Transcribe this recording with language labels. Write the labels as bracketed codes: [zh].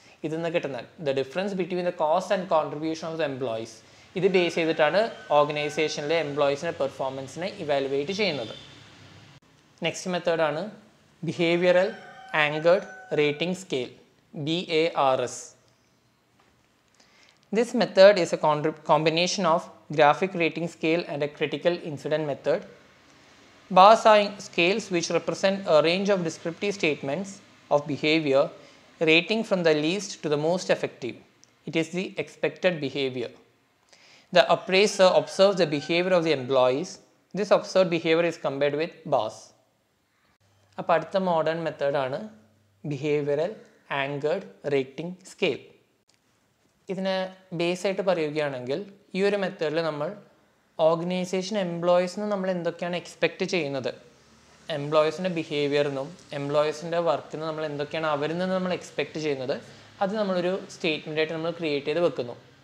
[ml] ഇതിൽ നിന്ന് കിട്ടുന്ന [en] the difference between the cost and contribution of the employees, [ml] ഇത് ബേസ് ചെയ്തിട്ടാണ് ഓർഗനൈസേഷനിലെ എംപ്ലോയീസിൻ്റെ പെർഫോമൻസിനെ ഇവാലുവേറ്റ് ചെയ്യുന്നത്. നെക്സ്റ്റ് മെത്തേഡാണ് behavioural anchored rating scale, BARS. [en] This method is a combination of graphic rating scale and a critical incident method. Bars are scales which represent a range of descriptive statements of behavior rating from the least to the most effective. It is the expected behavior. The appraiser observes the behavior of the employees. This observed behavior is compared with bars. Apart from modern method [ml] aanu [en] behavioral anchored rating scale. [ml] ഇതിനെ ബേസായിട്ട് പറയുകയാണെങ്കിൽ ഈ ഒരു മെത്തേഡിൽ നമ്മൾ organisation എംപ്ലോയീസിന് നമ്മൾ എന്തൊക്കെയാണ് expect ചെയ്യുന്നത്, എംപ്ലോയീസിൻ്റെ ബിഹേവിയറിനും എംപ്ലോയീസിൻ്റെ വർക്കിനും നമ്മൾ എന്തൊക്കെയാണ് അവരിൽ നിന്ന് നമ്മൾ എക്സ്പെക്റ്റ് ചെയ്യുന്നത്, അത് നമ്മളൊരു സ്റ്റേറ്റ്മെൻറ്റായിട്ട് നമ്മൾ ക്രിയേറ്റ് ചെയ്ത് വെക്കുന്നു.